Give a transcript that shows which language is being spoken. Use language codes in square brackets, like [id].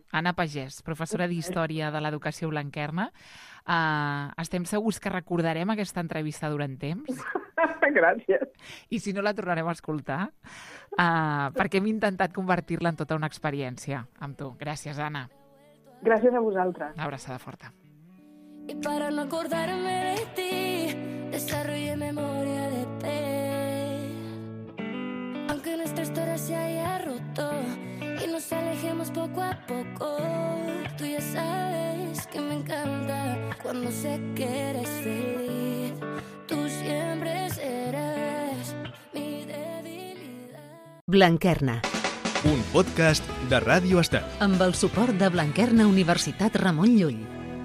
[ca] Anna Pagès, professora d'Història de l'Educació Blanquerna. Estem segurs que recordarem aquesta entrevista durant temps? Gràcies. I si no, la tornarem a escoltar? Perquè hem intentat convertir-la en tota una experiència amb tu. Gràcies, Anna. Gràcies a vosaltres. Una abraçada forta. [es] Y para no acordarme de ti, desarrollé memoria de pez. Aunque nuestra historia se haya roto y nos alejemos poco a poco, tú ya sabes que me encanta cuando sé que eres feliz. Tú siempre serás mi debilidad. [ca] Blanquerna, un podcast de Ràdio Estel. Amb el suport de Blanquerna Universitat Ramon Llull.